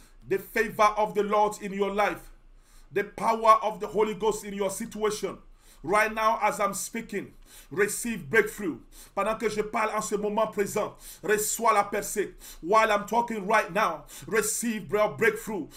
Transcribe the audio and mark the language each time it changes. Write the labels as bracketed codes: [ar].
[en] The favor of the Lord in your life. The power of the Holy Ghost in your situation. Right now, as I'm speaking, receive breakthrough. [fr] Pendant que je parle en ce moment présent, reçois la percée. [en] While I'm talking right now, receive your breakthrough.